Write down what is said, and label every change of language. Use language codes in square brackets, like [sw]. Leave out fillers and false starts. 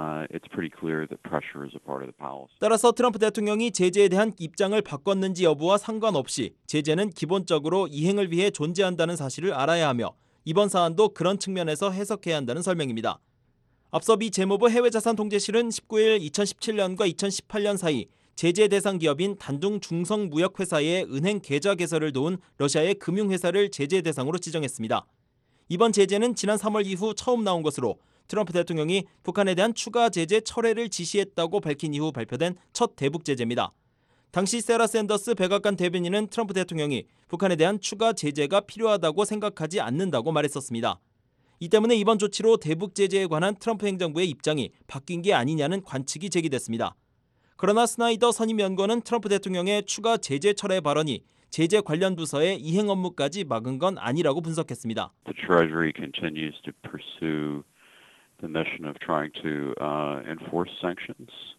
[en] It's pretty clear that pressure is a part of the policy. [ko] 따라서 트럼프 대통령이 제재에 대한 입장을 바꿨는지 여부와 상관없이 제재는 기본적으로 이행을 위해 존재한다는 사실을 알아야 하며 이번 사안도 그런 측면에서 해석해야 한다는 설명입니다. 앞서 미 재무부 해외자산통제실은 19일 2017년과 2018년 사이 제재 대상 기업인 단둥 중성무역회사의 은행 계좌 개설을 도운 러시아의 금융회사를 제재 대상으로 지정했습니다. 이번 제재는 지난 3월 이후 처음 나온 것으로 트럼프 대통령이 북한에 대한 추가 제재 철회를 지시했다고 밝힌 이후 발표된 첫 대북 제재입니다. 당시 세라 샌더스 백악관 대변인은 트럼프 대통령이 북한에 대한 추가 제재가 필요하다고 생각하지 않는다고 말했었습니다. 이 때문에 이번 조치로 대북 제재에 관한 트럼프 행정부의 입장이 바뀐 게 아니냐는 관측이 제기됐습니다. 그러나 스나이더 선임 연구원은 트럼프 대통령의 추가 제재 철회 발언이 제재 관련 부서의 이행 업무까지 막은 건 아니라고 분석했습니다. [en] The Treasury continues to pursue the mission of trying to enforce sanctions.